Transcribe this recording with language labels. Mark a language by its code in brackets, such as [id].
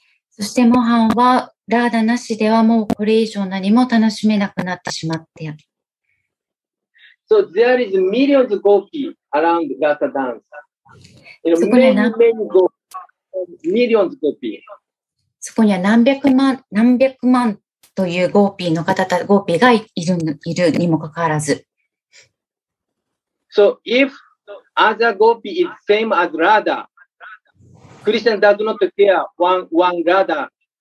[ja] そしてモハンはラーダなしではもうこれ以上何も楽しめなくなってしまって。 [en] So there is millions of gopi around Rasa dance. You know, many gopi, millions of gopi. [ja] そこには何百万というゴーピーの方たゴーピーがいるにもかかわらず。 [en] So if other gopi is same as Radha, Krishna does not care one Radha.